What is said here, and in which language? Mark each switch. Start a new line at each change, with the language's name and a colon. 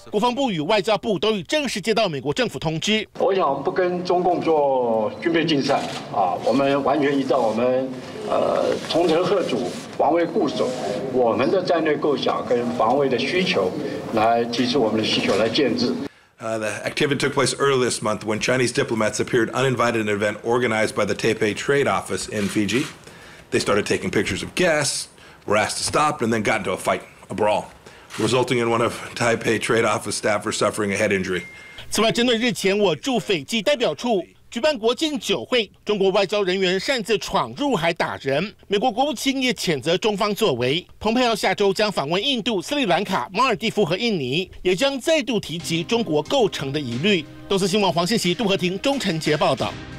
Chinese: 国防部与外交部都已正式接到美国政府通知。我想不跟中共做军备竞赛啊，我们完全依照我们同仇贺主、防卫固守，我们的战略构想跟防卫的需求来提出我们的需求来建制。
English: The activity took place early this month when Chinese diplomats appeared uninvited in an event organized by the Taipei Trade Office in Fiji. They started taking pictures of guests, were asked to stop, and then got into a fight, a brawl, resulting in one of Taipei Trade Office staffers suffering a head injury.
Chinese: 此外，针对日前我驻斐济代表处举办国庆酒会，中国外交人员擅自闯入还打人，美国国务卿也谴责中方作为。蓬佩奥下周将访问印度、斯里兰卡、马尔蒂夫和印尼，也将再度提及中国构成的疑虑。东森新闻黄信息、杜和婷、钟晨杰报道。